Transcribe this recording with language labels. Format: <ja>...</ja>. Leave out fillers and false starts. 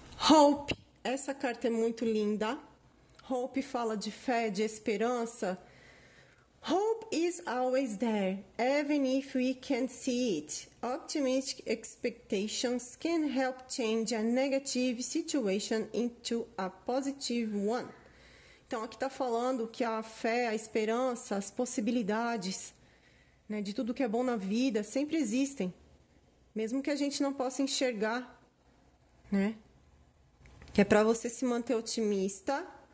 <pt>Hope. Essa carta é muito linda. Hope fala de fé, de esperança.</pt> <en>Hope is always there, even if we can't see it. Optimistic expectations can help change a negative situation into a positive one.</en> <pt>Então, aqui está falando que a fé, a esperança, as possibilidades, né, de tudo que é bom na vida sempre existem, mesmo que a gente não possa enxergar, né? Que é para você se manter otimista.</pt>